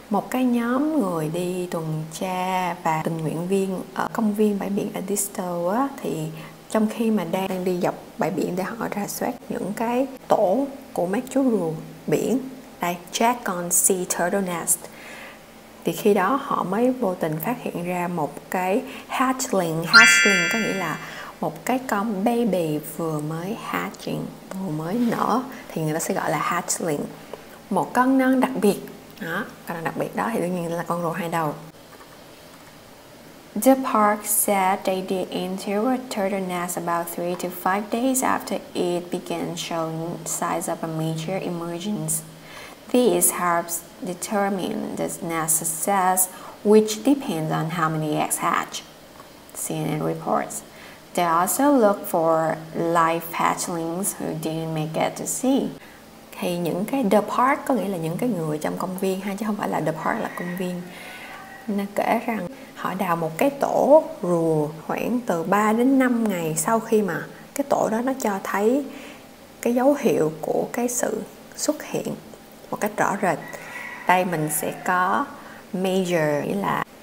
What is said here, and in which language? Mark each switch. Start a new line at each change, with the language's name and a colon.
Vietnamese: Một cái nhóm người đi tuần tra và tình nguyện viên ở công viên bãi biển Adisto á, thì trong khi mà đang đi dọc bãi biển để họ rà soát những cái tổ của mấy chú rùa biển, đây,
English: check on sea turtle nest,
Vietnamese: thì khi đó họ mới vô tình phát hiện ra một cái hatchling. Hatchling có nghĩa là một cái con baby vừa mới hatching, vừa mới nở, thì người ta sẽ gọi là hatchling. Một con non đặc biệt, đó, con non đặc biệt đó thì đương nhiên là con rùa hai đầu.
English: The park said they did enter a turtle nest about 3 to 5 days after it began showing signs of a major emergence. This helps determine the nest size, which depends on how many eggs hatch, CNN reports. They also look for live hatchlings who didn't make it to sea.
Vietnamese: Thì những cái the park có nghĩa là những cái người trong công viên ha, chứ không phải là the park là công viên. Nó kể rằng họ đào một cái tổ rùa khoảng từ 3 đến 5 ngày sau khi mà cái tổ đó nó cho thấy cái dấu hiệu của cái sự xuất hiện một cách rõ rệt. Đây mình sẽ có major, nghĩa là